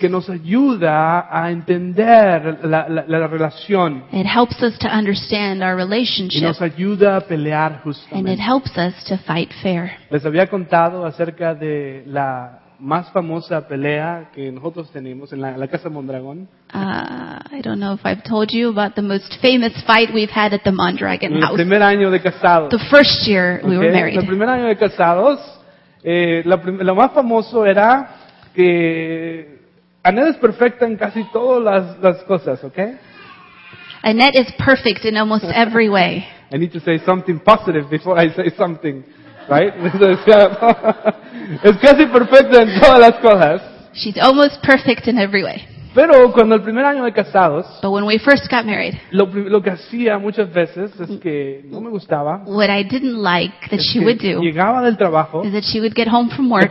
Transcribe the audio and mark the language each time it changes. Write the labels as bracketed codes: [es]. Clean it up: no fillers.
[es] Que nos ayuda a entender la relación. [en] It helps us to understand our relationship. [es] Y nos ayuda a pelear justamente. [en] And it helps us to fight fair. [es] Les había contado acerca de la más famosa pelea que nosotros tenemos en la Casa Mondragón. [en] I don't know if I've told you about the most famous fight we've had at the Mondragon House. [es] El primer año de casados. [en] The first year we were married. [es] El primer año de casados, lo más famoso era que Annette es perfecta en casi todas las cosas, ¿okay? [en] Annette is perfect in almost every way. I need to say something positive before I say something. Right? [es] Es casi perfecta en todas las cosas. [en] She's almost perfect in every way. [es] Pero cuando el primer año de casados. [en] But when we first got married. [es] Lo que hacía muchas veces es que no me gustaba. [en] What I didn't like that she would do. [es] Llegaba del trabajo. [en] Is that she would get home from work.